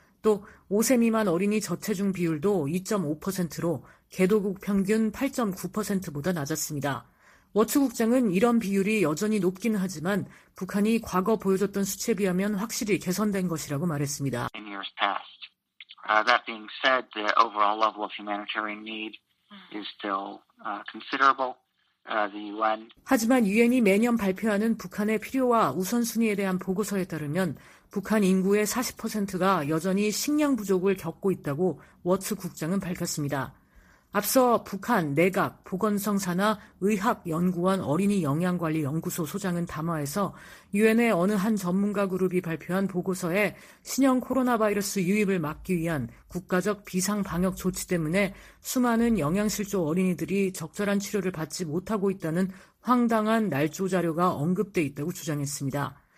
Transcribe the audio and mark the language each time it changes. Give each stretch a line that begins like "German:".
Korean: 또 5세 미만 어린이 저체중 비율도 2.5%로 개도국 평균 8.9%보다 낮았습니다. 워츠 국장은 이런 비율이 여전히 높긴 하지만 북한이 과거 보여줬던 수치에 비하면 확실히 개선된 것이라고 말했습니다.
English: In years past. That being said, the overall level of humanitarian need is still considerable. The UN.
Korean: 하지만 유엔이 매년 발표하는 북한의 필요와 우선순위에 대한 보고서에 따르면 북한 인구의 40%가 여전히 식량 부족을 겪고 있다고 워츠 국장은 밝혔습니다. 앞서 북한 내각 보건성 산하 의학연구원 어린이영양관리연구소 소장은 담화에서 유엔의 어느 한 전문가 그룹이 발표한 보고서에 신형 코로나 바이러스 유입을 막기 위한 국가적 비상방역 조치 때문에 수많은 영양실조 어린이들이 적절한 치료를 받지 못하고 있다는 황당한 날조 자료가 언급돼 있다고 주장했습니다.